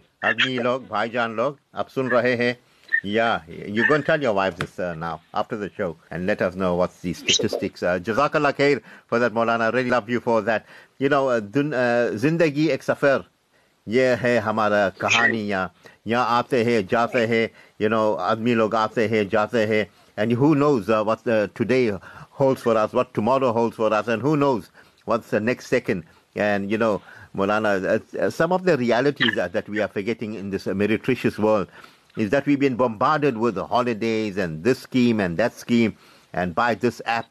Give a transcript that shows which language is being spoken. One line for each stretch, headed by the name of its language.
Hindi: आदमी लोग, भाईजान लोग, आप सुन रहे हैं?
English: Yeah, you go and tell your wife this now after the show and let us know what's the statistics. Jazakallah khair for that, Maulana. I really love you for that. You know,
Hindi: zindagi ek safar. ये है हमारा कहानी या यहाँ आते हैं, जाते हैं.
English: You know,
Hindi: आदमी लोग आते हैं, जाते हैं.
English: And who knows what today holds for us, what tomorrow holds for us, and who knows what's the next second. And, you know, Maulana, some of the realities that we are forgetting in this meretricious world is that we've been bombarded with holidays and this scheme and that scheme and by this app.